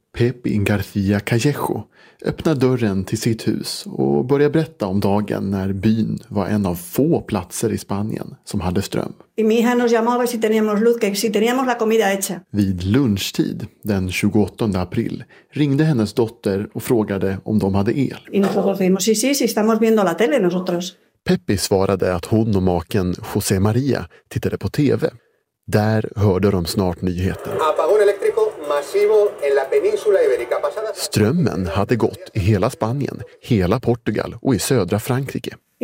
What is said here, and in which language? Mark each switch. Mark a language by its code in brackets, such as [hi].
[sv] Pepe García Callejo öppnar dörren till sitt hus och börjar berätta om dagen när byn var en av få platser i Spanien som hade ström. Vid lunchtid den 28 april ringde hennes dotter och frågade om de hade el. [es] Y nosotros decimos, sí, sí, sí, estamos viendo la tele nosotros. [sv] Peppi svarade att hon och maken José María tittade på TV. Där hörde de snart nyheten. Strömmen hade gått i hela Spanien, hela Portugal och i södra Frankrike.